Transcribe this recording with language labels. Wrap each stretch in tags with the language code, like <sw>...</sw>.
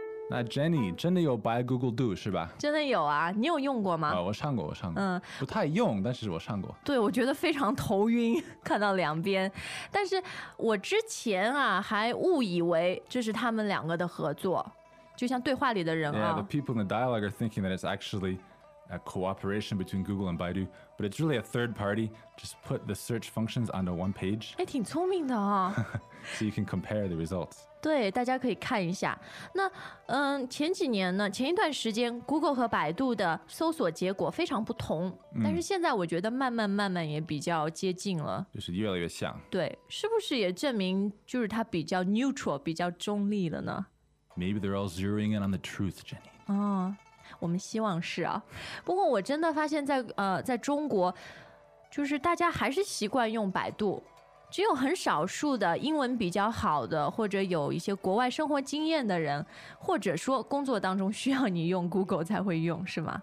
<zh>那 Jenny 真的有 by Google Do 是吧？真的有啊，你有用过吗？我上过，我上过，嗯，不太用，但是我上过。对，我觉得非常头晕，看到两边。但是我之前啊，还误以为这是他们两个的合作，就像对话里的人啊。</zh> <en>Yeah, the people in the dialogue are thinking that it's actually a cooperation between Google and Baidu, but it's really a third party. Just put the search functions onto one page.</en> <zh>哎，挺聪明的啊。</zh> <en>So you can compare the results.</en> <zh>对，大家可以看一下。那嗯，前几年呢，前一段时间 ，Google 和百度的搜索结果非常不同，嗯，但是现在我觉得慢慢也比较接近了，就是越来越像。对，是不是也证明就是它比较 neutral， 比较中立了呢</zh> <en>？Maybe they're all zeroing in on the truth, Jenny.</en> <zh>哦，我们希望是啊。不过我真的发现在中国，就是大家还是习惯用百度。只有很少数的英文比较好的或者有一些国外生活经验的人或者说工作当中需要你用 Google 才会用是吗</zh>